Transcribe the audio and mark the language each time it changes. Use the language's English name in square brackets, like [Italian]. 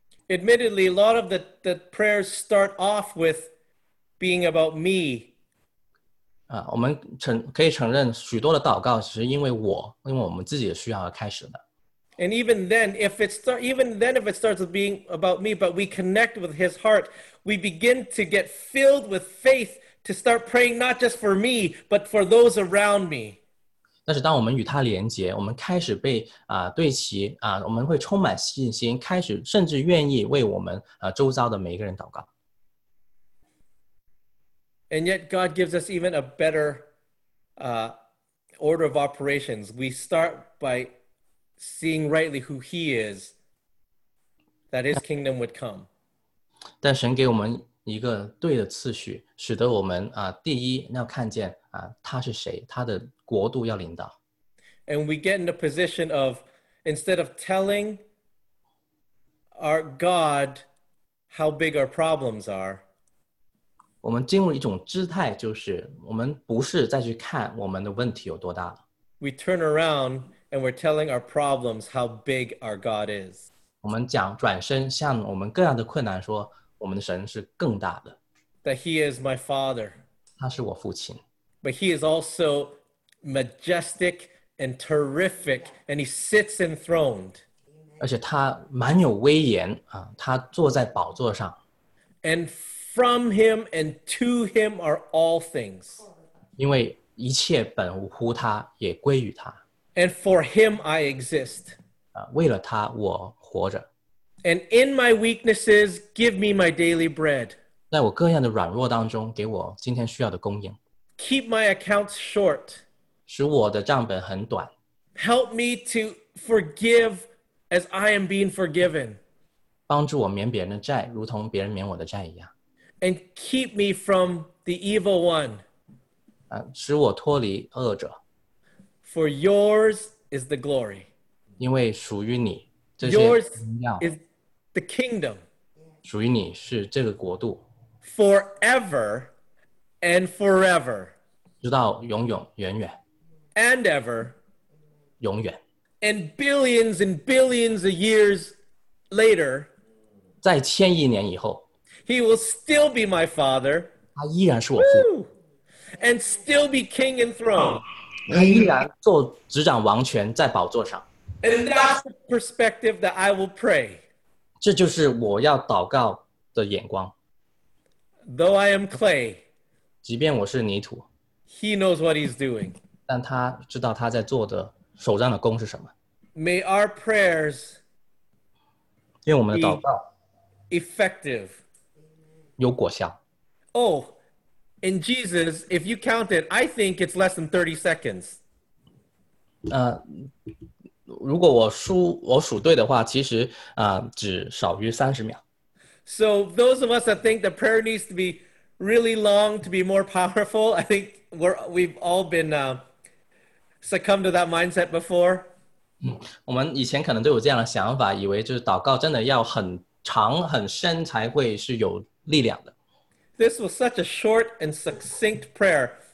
[English] Admittedly, a lot of the prayers start off with being about me. [Chinese] 我们可以承认许多的祷告是因为我，因为我们自己的需要而开始的。 [English] And even then, if it starts with being about me, but we connect with His heart, we begin to get filled with faith. To start praying not just for me, but for those around me. [Chinese] 但是当我们与他连接，我们开始被对齐我们会充满信心，开始甚至愿意为我们周遭的每一个人祷告。 [English] And yet God gives us even a better order of operations. We start by seeing rightly who He is, that His kingdom would come. [Chinese] 但神给我们一个对的次序，使得我们第一要看见他是谁，他的国度要领导。 [English] And we get in a position of instead of telling our God how big our problems are, [Chinese] 我们进入一种姿态，就是我们不是再去看我们的问题有多大了。 [English] We turn around and we're telling our problems how big our God is. [Chinese] 我们转身向我们各样的困难说。我们的神是更大的。 [English] That He is my Father. [Chinese] 他是我父亲。 [English] But He is also majestic and terrific, and He sits enthroned. [Chinese] 而且他蛮有威严他坐在宝座上。 [English] And from Him and to Him are all things. [Chinese] 因为一切本乎他，也归于他。 [English] And for Him I exist. [Chinese] 为了他，我活着。 [English] And in my weaknesses, give me my daily bread. [Chinese] 在我各样的软弱当中，给我今天需要的供应。 [English] Keep my accounts short. [Chinese] 使我的账本很短。 [English] Help me to forgive as I am being forgiven. [Chinese] 帮助我免别人的债，如同别人免我的债一样。 [English] And keep me from the evil one. [Chinese] 使我脱离恶者。 [English] For yours is the glory. [Chinese] 因为属于你。 [English] Yours is the kingdom. [Chinese] 属于你是这个国度。 [English] Forever and forever. [Chinese] 直到永永远远。 [English] And ever. [Chinese] 永远。 [English] And billions and billions of years later. [Chinese] 在千亿年以后。 [English] He will still be my father. [Chinese] 他依然是我父。 [English] And still be king and throne. [Chinese] 他依然坐执掌王权在宝座上。 [English] And that's the perspective that I will pray. [Chinese] 这就是我要祷告的眼光。 [English] Though I am clay, [Chinese] 即便我是泥土, [English] He knows what He's doing. [Chinese] 但他知道他在做的手上的工是什么。 [English] May our prayers, [Chinese] 愿我们的祷告, [English] effective, [Chinese] 有果效。 [English] Oh, and Jesus, if you count it, I think it's less than 30 seconds. [Chinese] 如果我数对的话，其实只少于三十秒。 [English] So those of us that think that prayer needs to be really long to be more powerful, I think we've all been succumbed to that mindset before. [Chinese] 我们以前可能都有这样的想法，以为就是祷告真的要很长很深才会是有力量的。 [English] This was such a short and succinct prayer.